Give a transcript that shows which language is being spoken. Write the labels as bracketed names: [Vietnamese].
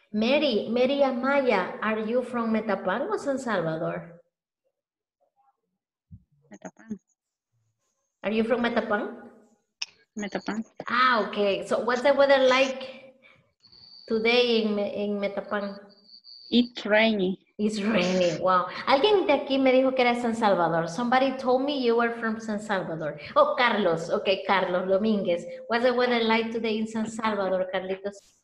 [English] Mary Amaya, are you from Metapan or San Salvador? Metapan. Are you from Metapan? Metapan. Ah, okay. So what's the weather like today in Metapan? It's rainy. It's rainy. Wow. [Spanish] Alguien de aquí me dijo que era San Salvador. [English] Somebody told me you were from San Salvador. Oh, Carlos. Okay, Carlos Domínguez. What's the weather like today in San Salvador, Carlitos?